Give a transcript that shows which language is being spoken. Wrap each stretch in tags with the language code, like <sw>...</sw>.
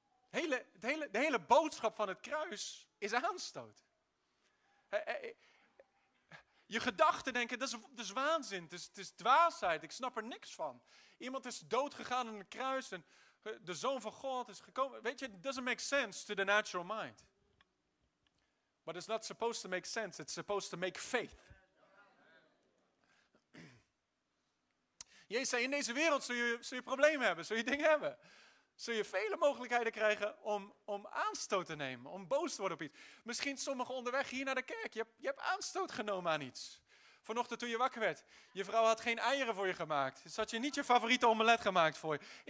<nl>De hele boodschap van het kruis is aanstoot. je gedachten denken, dat is waanzin, het is dwaasheid, ik snap er niks van. Iemand is dood gegaan aan een kruis en de Zoon van God is gekomen. Weet je,</nl> <en>it doesn't make sense to the natural mind. But it's not supposed to make sense, it's supposed to make faith.</en> <nl>Jezus zei, in deze wereld zul je problemen hebben, zul je dingen hebben. Zul je vele mogelijkheden krijgen om aanstoot te nemen, om boos te worden op iets. Misschien sommigen onderweg hier naar de kerk, je hebt aanstoot genomen aan iets. Vanochtend toen je wakker werd, je vrouw had geen eieren voor je gemaakt. Ze had je niet je favoriete omelet gemaakt voor je.</nl>